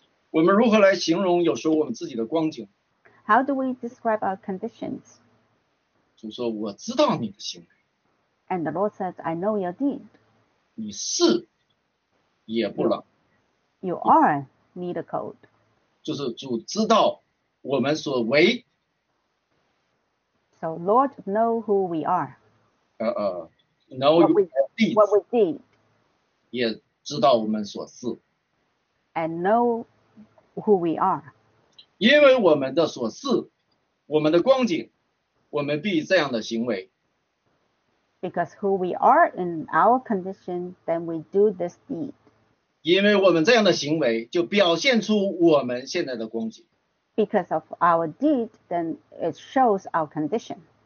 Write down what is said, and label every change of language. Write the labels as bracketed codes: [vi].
[zh] 我们如何来形容有时候我们自己的光景 [en] ？How do we describe our conditions？ [zh] 主说：“我知道你的行为。 [en] ”And the Lord says, "I know your deed." [zh] 你是，也不冷。 [en] You are neither cold. [zh] 就是主知道我们所为。 [en] So Lord know who we are. Know what we did. [zh] 也知道我们所是。 [en] And know who we are. [zh] 因为我们的所是，我们的光景，我们必这样的行为。 [en] Because who we are in our condition, then we do this deed. [zh] 因为我们这样的行为，就表现出我们现在的光景。 [en] Because of our deed, then it shows our condition.